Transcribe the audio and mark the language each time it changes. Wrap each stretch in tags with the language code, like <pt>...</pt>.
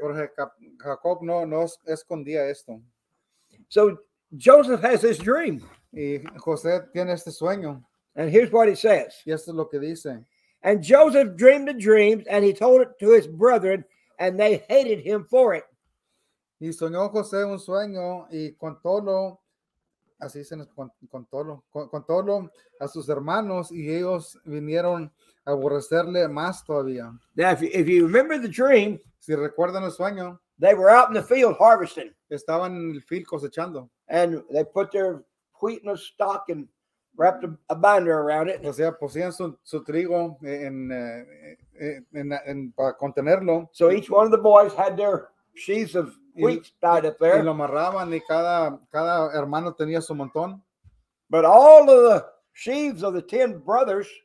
<es>Porque Jacob no escondía esto.</es> <en>So Joseph has this dream.</en> <es>Y José tiene este sueño.</es> <en>And here's what it says.</en> <es>Y esto es lo que dice.</es> <en>And Joseph dreamed a dream, and he told it to his brethren, and they hated him for it.</en> <es>Y soñó José un sueño, y contólo, así se nos contólo a sus hermanos, y ellos vinieron a aborrecerle más todavía.</es> <en>Now, if you remember the dream,</en> <es>si recuerdan el sueño,</es> <en>they were out in the field harvesting.</en> <es>Estaban en el field cosechando.</es> <en>And they put their wheat in a stock and wrapped a binder around it.</en> <es>O sea, pusían su trigo en para contenerlo.</es> <en>So each one of the boys had their sheaves of wheat tied up there.</en> <es>Y lo amarraban y cada hermano tenía su montón.</es> <en>But all of the sheaves of the 10 brothers.</en>